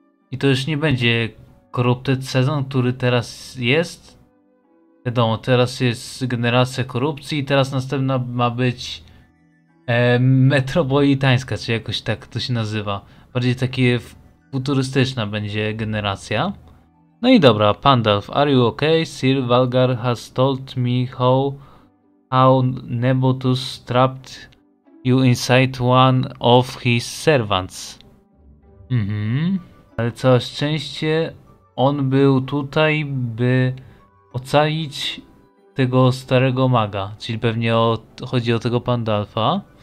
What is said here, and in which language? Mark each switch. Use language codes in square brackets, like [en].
[pl] I to już nie będzie Corrupted sezon, który teraz jest. Wiadomo, teraz jest generacja korupcji i teraz następna ma być metropolitańska, czy jakoś tak to się nazywa. Bardziej takie futurystyczna będzie generacja. No i dobra, [en] Pandalf, are you okay? Sir Valgar has told me how Nebotus trapped you inside one of his servants. [pl] Ale całe szczęście, on był tutaj, by ocalić tego starego maga, czyli pewnie chodzi o tego Pandalfa.